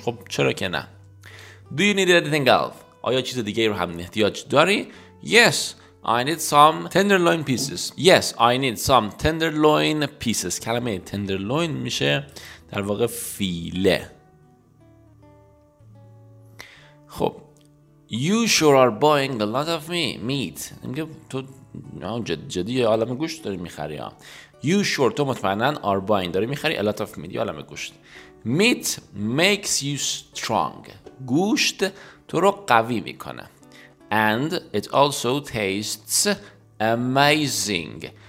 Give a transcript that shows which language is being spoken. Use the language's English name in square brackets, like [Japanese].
[Persian] خب چرا که نه. [English] Do you need anything else؟ [Persian] آیا چیز دیگه رو هم احتیاج داری؟ [English] Yes I need some tenderloin pieces. Yes, I need some tenderloin pieces. [Persian] کلمه tenderloin میشه در واقع فیله. [English] خب you sure are buying a lot of meat. [Persian] میگه تو جدی عالم گوشت داری میخری. [English] You sure، [Persian] تو مطمئنن [English] are buying، [Persian] داری میخری [English] a lot of meat، [Persian] یه عالم گوشت. [English] Meat makes you strong. [Persian] گوشت تو رو قوی میکنه. [English] And it also tastes amazing.